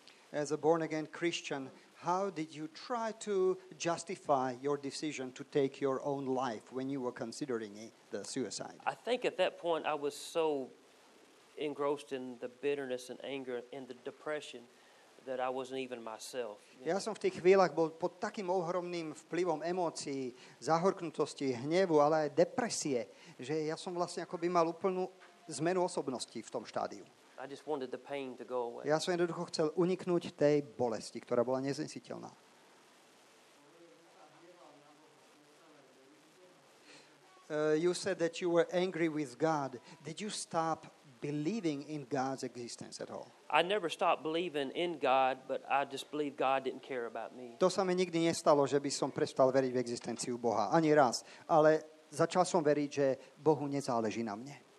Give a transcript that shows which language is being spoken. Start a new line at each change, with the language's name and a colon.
English: As a born-again Christian, how did you try to justify your decision to take your own life when you were considering the suicide? I think at that point I was so engrossed in the bitterness and anger and the depression that I wasn't even myself.
Slovak: Ja som v tých chvíľach bol pod takým ohromným vplyvom emócií, zahorknutosti, hnevu, ale aj depresie, že ja som vlastne akoby mal úplnú zmenu osobnosti v tom štádiu.
English: I just wanted the pain to go away.
Slovak: Ja som jednoducho chcel uniknúť tej bolesti, ktorá bola neznesiteľná.
English: You said that you were angry with God. Did you stop believing in God's existence at all? I never stopped believing in God, but I just believed God didn't care about me.
Slovak: To sa mi nikdy nestalo, že by som prestal veriť v existenciu Boha. Ani raz. Ale začal som veriť, že Bohu nezáleží na mne.